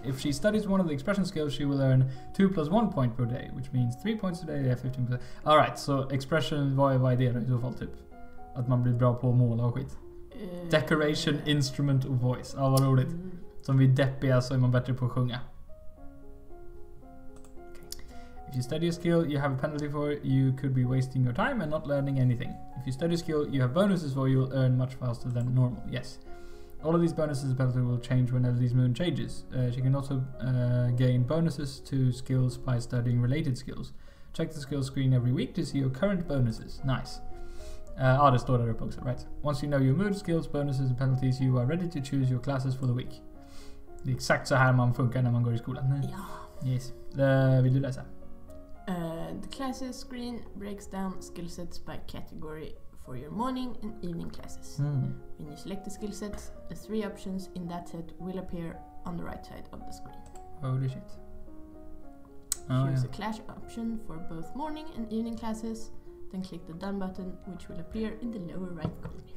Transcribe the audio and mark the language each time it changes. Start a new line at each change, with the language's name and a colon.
English: If she studies one of the expression skills, she will earn 2 plus 1 point per day, which means 3 points a day, yeah, 15%. All right, so expression,
Swedish: vad är det i så fall typ? Att man blir bra på att måla och skit. Decoration, instrument och voice. Ah, vad roligt. Som vi deppiga så är man bättre på att sjunga.
English: If you study a skill, you have a penalty for it. You could be wasting your time and not learning anything. If you study a skill, you have bonuses for it. You'll earn much faster than normal. Yes. All of these bonuses and penalties will change whenever these moon changes. She can also gain bonuses to skills by studying related skills. Check the skill screen every week to see your current bonuses. Nice.
Swedish: Det står där uppe också,
English: right? Once you know your moon skills, bonuses and penalties, you are ready to choose your classes for the week.
Swedish: Det är exakt så här man funkar när man går i skolan. Ja.
English: Yes.
Swedish: Vill du läsa?
English: The classes screen breaks down skill sets by category for your morning and evening classes. Mm. When you select the skill sets, the 3 options in that set will appear on the right side of the screen. Holy shit. Choose a clash option for both morning and evening classes, then click the done button, which will appear in the lower right corner.